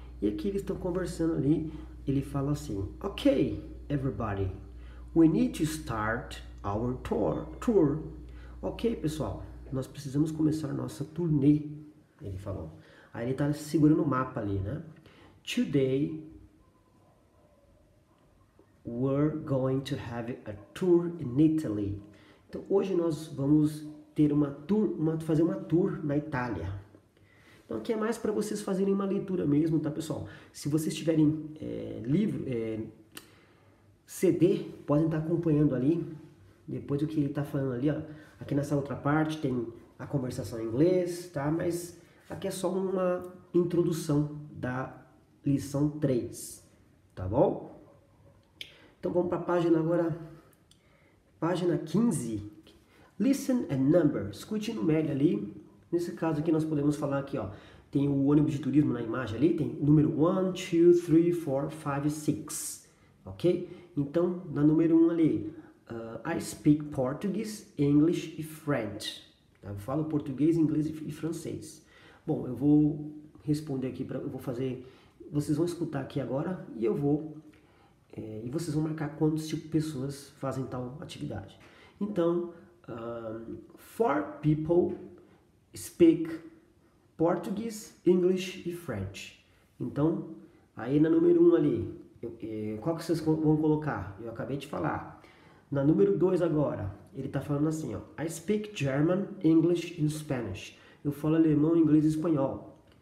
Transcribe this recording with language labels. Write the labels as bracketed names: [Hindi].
[Portuguese] E aqui eles estão conversando ali, ele fala assim: [English] Ok, everybody, we need to start our tour. [Portuguese] Ok, pessoal, nós precisamos começar nossa turnê, ele falou. Aí ele tá segurando o mapa ali, né? [English] Today, we're going to have a tour in Italy. [Portuguese] Então, hoje nós vamos ter uma tour, fazer uma tour na Itália. Então, aqui é mais para vocês fazerem uma leitura mesmo, tá, pessoal? Se vocês tiverem livro, CD, podem estar acompanhando ali. Depois do que ele tá falando ali, ó. Aqui nessa outra parte tem a conversação em inglês, tá? Mas aqui é só uma introdução da lição 3, tá bom? Então vamos para a página agora. Página 15. [English] Listen and number. [Portuguese] Escute e numere ali. Nesse caso aqui nós podemos falar aqui, ó. Tem o ônibus de turismo na imagem ali. Tem número 1, 2, 3, 4, 5, 6. Ok? Então, na número 1 ali. [English] I speak Portuguese, English e French. [Portuguese] Eu falo português, inglês e francês. Bom, eu vou responder aqui eu vou fazer. Vocês vão escutar aqui agora e eu vou. E vocês vão marcar quantas pessoas fazem tal atividade. [English] Então, four people speak Portuguese, English e French. [Portuguese] Então, aí na número 1 ali, qual que vocês vão colocar? Eu acabei de falar. Na número 2 agora, ele tá falando assim, ó. [English] I speak German, English and Spanish. [Portuguese] Eu falo alemão, inglês e espanhol.